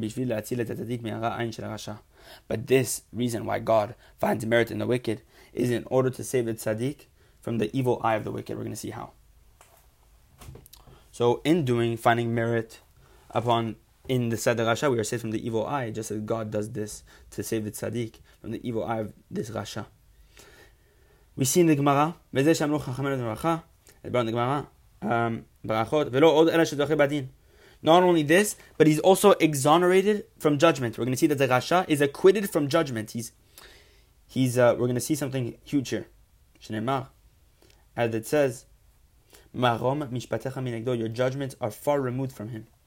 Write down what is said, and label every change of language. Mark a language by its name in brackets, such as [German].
[Hebrew] Bishvil la'atzil et ha'tzadik mi'ara ayin shel Rasha. [English] But this reason why God finds merit in the wicked is in order to save the tzadik from the evil eye of the wicked. We're going to see how. So in doing, finding merit upon in the tzadik Rasha, we are saved from the evil eye, just as God does this to save the tzadik from the evil eye of this Rasha. We see in the Gemara, [Hebrew] וזה שאמרו חכמים לברכה, הדברנו בגמרא, ברכות, ולא עוד אלא שזוכה בדין. [English] Not only this, but he's also exonerated from judgment. We're going to see that the Rasha is acquitted from judgment. We're going to see something huge here. [Hebrew] שנאמר, [English] as it says, [Hebrew] מרום משפטיך מנגדו, [English] your judgments are far removed from him.